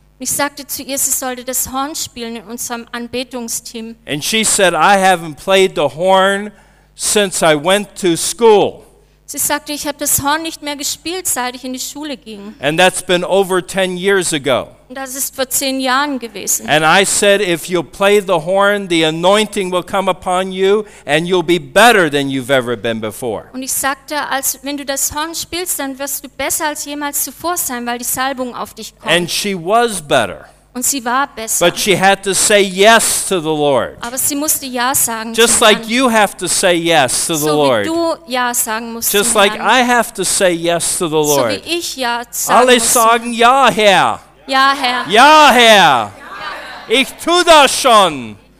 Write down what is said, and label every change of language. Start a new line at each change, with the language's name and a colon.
German: Ich sagte zu ihr, sie sollte das Horn spielen in unserem Anbetungsteam.
English: And she said, "I haven't played the horn since I went to school."
German: Sie sagte, ich habe das Horn nicht mehr gespielt, seit ich in die Schule ging.
English: And that's been over 10 years ago.
German: Das ist vor 10 Jahren gewesen.
English: And I said, "If you play the horn, the anointing will come upon you and you'll be better than you've ever been before."
German: Und ich sagte, als wenn du das Horn spielst, dann wirst du besser als jemals zuvor sein, weil die Salbung auf dich kommt.
English: And she was better.
German: Und sie war besser.
English: But she had to say yes to the Lord.
German: Aber sie musste ja sagen.
English: Just like you have to say yes to the Lord.
German: So wie du ja sagen musst.
English: Just like I have to say yes to the Lord.
German: So wie ich ja sagen muss. Alle sagen ja, Herr. Ja, Herr. Ja, Herr. Ich tue das schon.